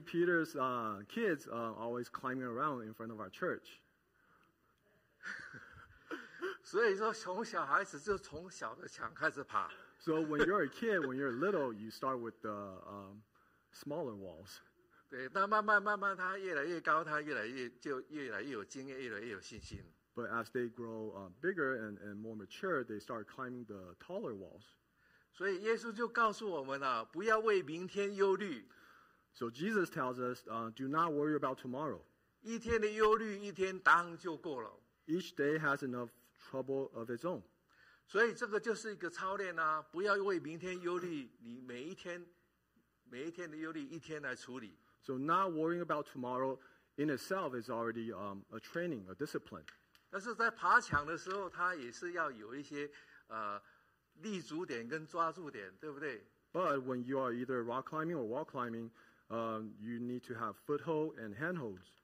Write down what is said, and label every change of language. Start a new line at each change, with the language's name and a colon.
English: Peter's kids always climbing around in front of our church.
Chinese: 所以说，从小孩子就从小的墙开始爬。
English: So when you're a kid, when you're little, you start with the smaller walls.
Chinese: 对，那慢慢慢慢，他越来越高，他越来越就越来越有经验，越来越有信心。
English: But as they grow bigger and more mature, they start climbing the taller walls.
Chinese: 所以耶稣就告诉我们了，不要为明天忧虑。
English: So Jesus tells us, do not worry about tomorrow.
Chinese: 一天的忧虑，一天当就够了。
English: Each day has enough trouble of its own.
Chinese: 所以这个就是一个操练啊，不要为明天忧虑，你每一天的忧虑，一天来处理。
English: So not worrying about tomorrow in itself is already a training, a discipline.
Chinese: 但是在爬墙的时候，它也是要有一些立足点跟抓住点，对不对？
English: But when you are either rock climbing or wall climbing, you need to have foothold and handholds.